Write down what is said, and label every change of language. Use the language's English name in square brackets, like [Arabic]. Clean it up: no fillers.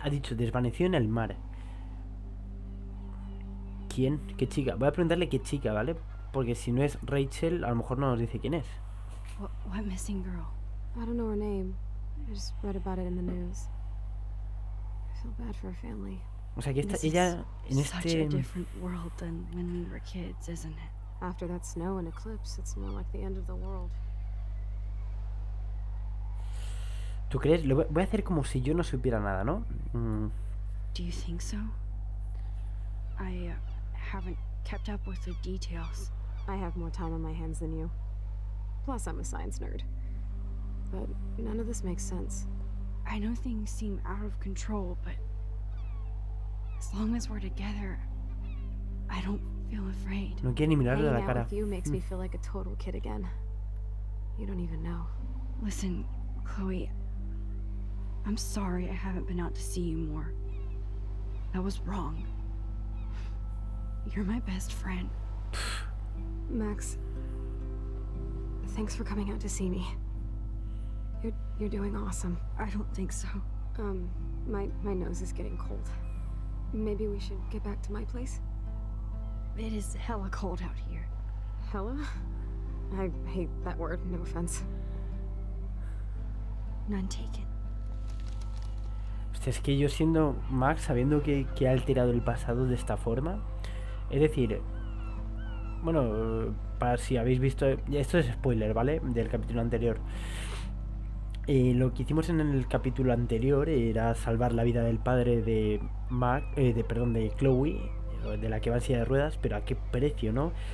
[Spanish] Ha dicho desvaneció en el mar. ¿Quién? ¿Qué chica? Voy a preguntarle qué chica, ¿vale? Porque si no es Rachel, a lo mejor no nos dice quién es. [English] What missing girl? I don't know her name. I just read about it in the news. I feel bad for her family. [Spanish] O sea, que esta, ella en [English] such [Spanish] este [English] a different world than when we were kids, isn't it? After that snow and eclipse, it's more like the end of the world. [Spanish] ¿Tú crees? Lo voy a hacer como si yo no supiera nada, ¿no? [English] Do you think so? I haven't kept up with the details. I have more time on my hands than you. Plus, I'm a science nerd. But none of this makes sense. I know things seem out of control, but as long as we're together, I don't feel afraid. [Spanish] No quiere ni mirarle [English] Hanging [Spanish] a la cara. [English] Out with you makes me feel like a total kid again. You don't even know. Listen, Chloe. I'm sorry I haven't been out to see you more. That was wrong. You're my best friend. Max, thanks for coming out to see me. You're doing awesome. I don't think so. My nose is getting cold. Maybe we should get back to my place? It is hella cold out here. Hella? I hate that word, no offense. None taken. [Spanish] Es que yo siendo Max, sabiendo que ha alterado el pasado de esta forma. Es decir, bueno, para si habéis visto, esto es spoiler, ¿vale? Del capítulo anterior. Lo que hicimos en el capítulo anterior era salvar la vida del padre de Max, de Chloe, de la que va en silla de ruedas, pero ¿a qué precio, no?